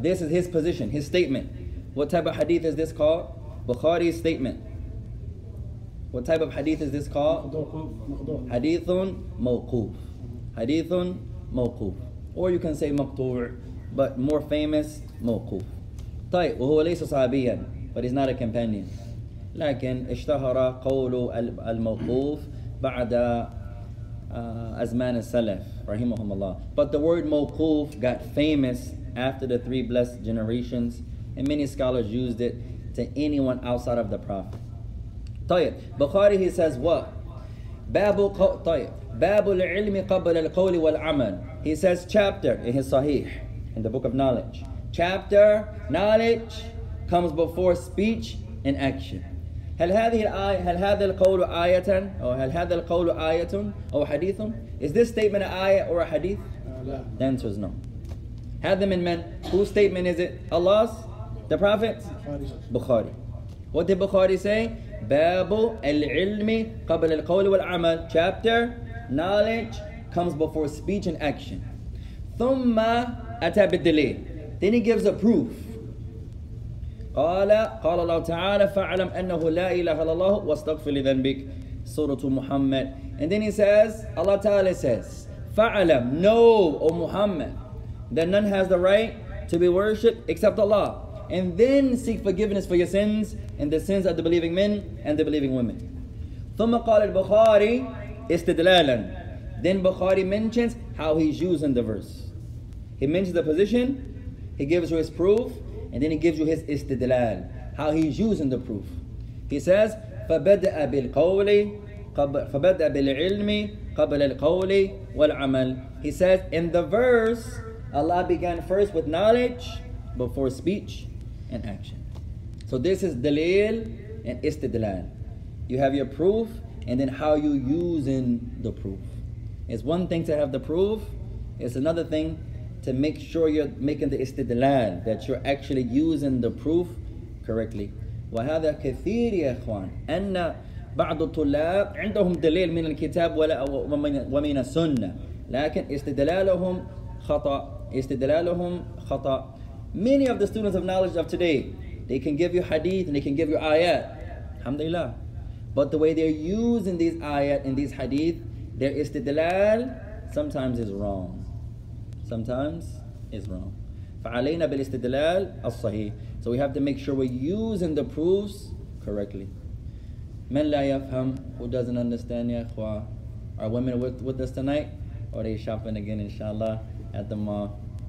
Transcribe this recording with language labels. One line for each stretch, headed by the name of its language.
English: This is his position, his statement. What type of hadith is this called? Bukhari's statement. What type of hadith is this called? Hadithun mawquf. Hadithun mawquf. Or you can say maqtu', but more famous, mawquf.
Arabic: طيب وهو ليس صحابيا,
English: but he's not a companion.
Arabic: لكن اشتهر قول الموقوف بعد أزمان السلف رحمهم الله.
English: But the word موقوف got famous after the three blessed generations, and many scholars used it to anyone outside of the Prophet. طيب بخاري, he says what?
Arabic: باب العلم قبل القول والعمل.
English: He says chapter in his Sahih, in the book of knowledge. Chapter, knowledge comes before speech and action.
Arabic: هل هذه القول آية أو هل هذا القول آية أو حديث؟
English: Is this statement an ayah or a hadith?
Arabic: لا.
English: The answer is no.
Arabic: هذا من من?
English: Whose statement is it? Allah's? The Prophet? Bukhari. What did Bukhari say?
Arabic: باب العلم قبل القول والعمل.
English: Chapter, knowledge comes before speech and action.
Arabic: ثم أتى بالدليل.
English: Then he gives a proof.
Arabic: قال الله تعالى فعلم أنه لا إله إلا الله واستغفر لذنبك سورة محمد.
English: And then he says, Allah Ta'ala says, فعلم, know, O Muhammad, that none has the right to be worshipped except Allah. And then seek forgiveness for your sins and the sins of the believing men and the believing women. ثم قال البخاري استدلالا. Then Bukhari mentions how he's using the verse. He mentions the position. He gives you his proof, and then he gives you his istidlal, how he's using the proof. He says,
Arabic: فَبَدَأَ بِالْقَوْلِ فَبَدَأَ بِالْعِلْمِ قَبْلَ الْقَوْلِ وَالْعَمَلِ.
English: He says, in the verse, Allah began first with knowledge before speech and action. So this is dalil and istidlal. You have your proof, and then how you using the proof. It's one thing to have the proof, it's another thing to make sure you're making the istidlal, that you're actually using the proof correctly.
Arabic: وهذا كثير يا إخوان أن بعض الطلاب عندهم دليل من الكتاب ولا ومن السنة لكن استدلالهم خطأ استدلالهم خطأ.
English: Many of the students of knowledge of today, they can give you hadith and they can give you ayat. Alhamdulillah. But the way they're using these ayat and these hadith, their istidlal sometimes is wrong. Sometimes is wrong.
Arabic: فعلينا بالاستدلال الصحيح.
English: So we have to make sure we're using the proofs correctly.
Arabic: من لا يفهم,
English: who doesn't understand,
Arabic: يا أخوة.
English: Are women with us tonight? Or are they shopping again, inshallah, at the mall?